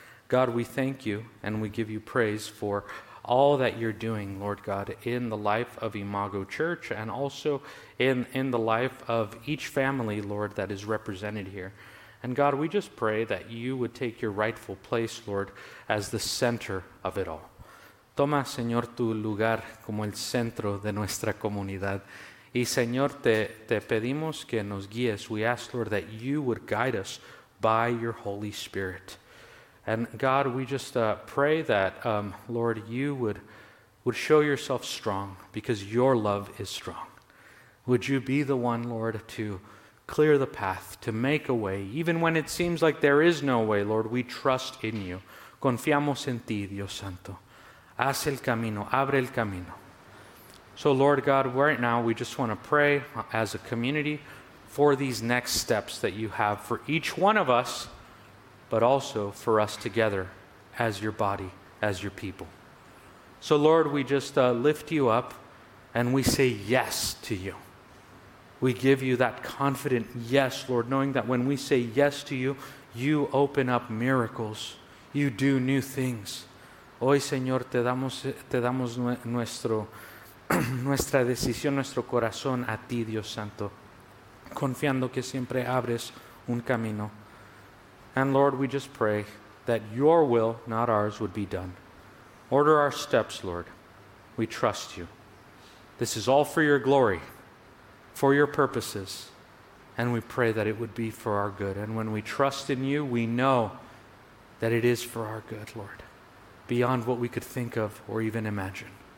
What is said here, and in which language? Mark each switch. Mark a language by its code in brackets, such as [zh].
[en] God, we thank you and we give you praise for all that you're doing, Lord God, in the life of Imago Church and also in the life of each family, Lord, that is represented here. And God, we just pray that you would take your rightful place, Lord, as the center of it all. [es] Toma, Señor, tu lugar como el centro de nuestra comunidad. Y Señor, te pedimos que nos guíes. [en] We ask, Lord, that you would guide us by your Holy Spirit. And God, we just pray that, Lord, you would show yourself strong because your love is strong. Would you be the one, Lord, to clear the path, to make a way, even when it seems like there is no way, Lord, we trust in you. [es] Confiamos en ti, Dios Santo. Haz el camino, abre el camino. [en] So, Lord God, right now we just want to pray as a community for these next steps that you have for each one of us, but also for us together as your body, as your people. So Lord, we just lift you up and we say yes to you. We give you that confident yes, Lord, knowing that when we say yes to you, you open up miracles, you do new things. [es] Hoy, Señor, te damos nuestra decisión, nuestro corazón a ti, Dios Santo, confiando que siempre abres un camino. [en] And Lord, we just pray that your will, not ours, would be done. Order our steps, Lord. We trust you. This is all for your glory, for your purposes. And we pray that it would be for our good. And when we trust in you, we know that it is for our good, Lord, beyond what we could think of or even imagine.